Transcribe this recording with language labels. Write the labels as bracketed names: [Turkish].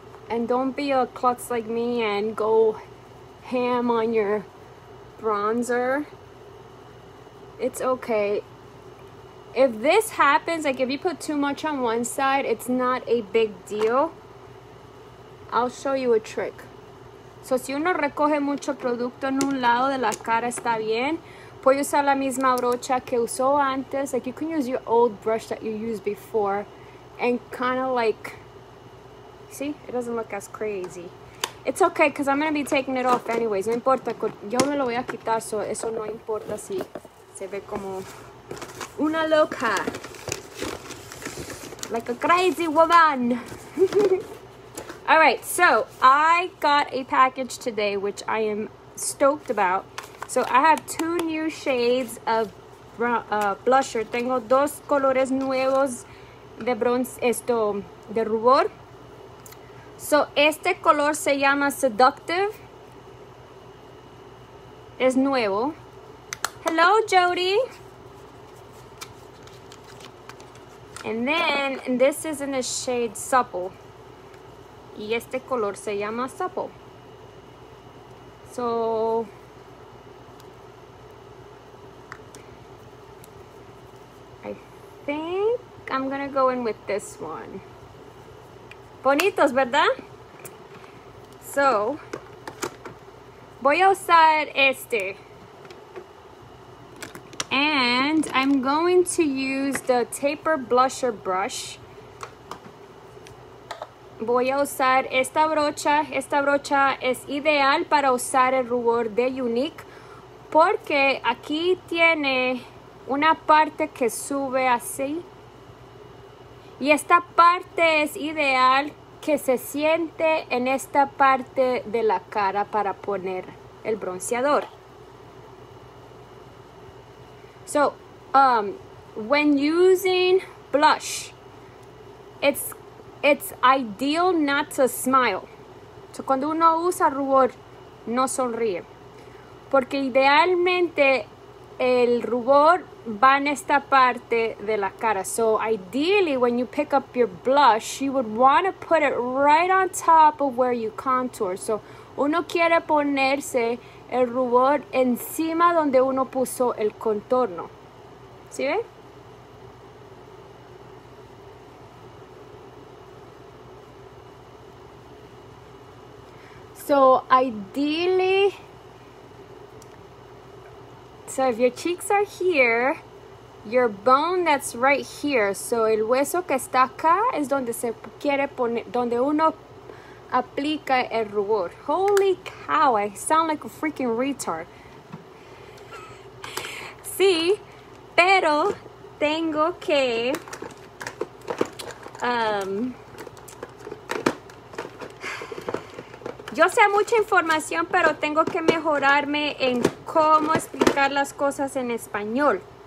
[English] And don't be a klutz like me and go ham on your bronzer. It's okay. If this happens, like if you put too much on one side, it's not a big deal. I'll show you a trick. [Spanish] So si uno recoge mucho producto en un lado de la cara, está bien. Puede usar la misma brocha que usó antes. [English] Like you can use your old brush that you used before. And kind of like, see, it doesn't look as crazy. It's okay, because I'm going to be taking it off anyways. [Spanish] No importa, yo me lo voy a quitar, so eso no importa si se ve como... Una loca. [English] Like a crazy woman. All right, so I got a package today, which I am stoked about. So I have two new shades of blusher. [Spanish] Tengo dos colores nuevos de bronce, esto, de rubor. So este color se llama Seductive. Es nuevo. [English] Hello, [Spanish] Jody. [English] And then, this is in the shade Supple. [Spanish] Y este color se llama Supple. [English] So, I think I'm gonna go in with this one. [Spanish] Bonitos, ¿verdad? So, voy a usar este. [English] And I'm going to use the taper blusher brush. [Spanish] Voy a usar esta brocha. Esta brocha es ideal para usar el rubor de Unique porque aquí tiene una parte que sube así. Y esta parte es ideal que se siente en esta parte de la cara para poner el bronceador. [English] So, when using blush, it's ideal not to smile. [Spanish] So, cuando uno usa rubor, no sonríe. Porque idealmente, el rubor va en esta parte de la cara. [English] So, ideally, when you pick up your blush, you would want to put it right on top of where you contour. [Spanish] So, uno quiere ponerse el rubor encima donde uno puso el contorno. ¿Sí ve? [English] So, ideally... So, if your cheeks are here, your bone that's right here. [Spanish] So, el hueso que está acá es donde se quiere poner... Donde uno... Aplica el rubor. [English] Holy cow, I sound like a freaking retard. [Spanish] Sí, pero tengo que yo sé mucha información, pero tengo que mejorarme en cómo explicar las cosas en español.